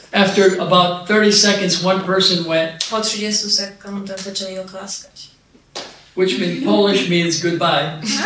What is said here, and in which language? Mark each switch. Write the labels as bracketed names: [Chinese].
[English] After about 30 seconds, one person went. [Polish] Po 30 sekundach zaczęli oklaskać. [English] Which in Polish means goodbye.